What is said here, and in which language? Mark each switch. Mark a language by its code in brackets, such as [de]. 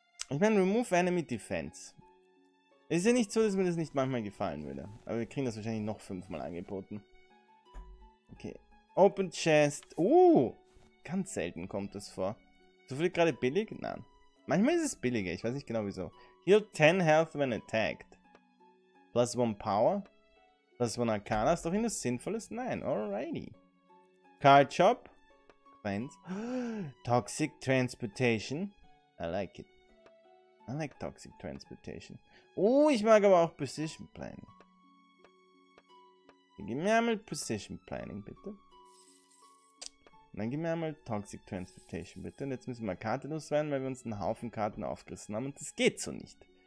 [de] Ich meine, Remove Enemy Defense. Es ist ja nicht so, dass mir das nicht manchmal gefallen würde. Aber wir kriegen das wahrscheinlich noch 5-mal angeboten. Okay. Open Chest. Ganz selten kommt das vor. So viel gerade billig? Nein. Manchmal ist es billiger, ich weiß nicht genau wieso. [en] Heal 10 health when attacked. Plus 1 power. Plus 1 arcana. [de] Ist doch irgendwas Sinnvolles? Nein. [en] Alrighty. Card Shop. Friends. Toxic Transportation. I like it. I like Toxic Transportation. [de] Oh, ich mag aber auch Position Planning. Gib mir einmal Position Planning, bitte. Dann gib mir einmal Toxic Transportation, bitte. Und jetzt müssen wir Karten loswerden, weil wir uns einen Haufen Karten aufgerissen haben. Und das geht so nicht.